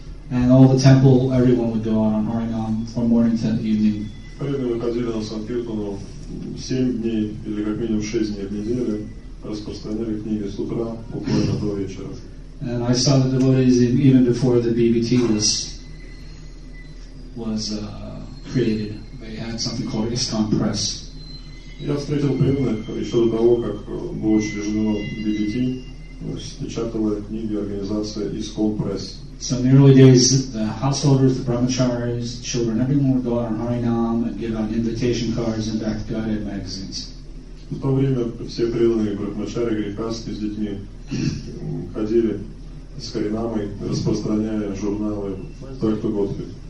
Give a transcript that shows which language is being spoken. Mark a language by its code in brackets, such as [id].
[en] And all the temple, everyone would go on Harinam from morning to evening. [ru] Преданные выходили на Санкиртану 7 дней или как минимум 6 дней в неделю. Распространяли книги с утра, буквально до вечера. [en] And I saw the devotees even before the BBT was created. They had something called ISKCON Press. [ru] Я встретил преданных еще до того, как было учреждено BBT, печатала книги организация ISKCON Press. [en] So in the early days, the householders, the brahmacharis, the children, everyone would go out on Harinam and give out invitation cards and back to Godhead magazines. [ru] В то время все преданные брахмачари, грехасты с детьми ходили с харинамой, распространяя журналы «Только Годхи».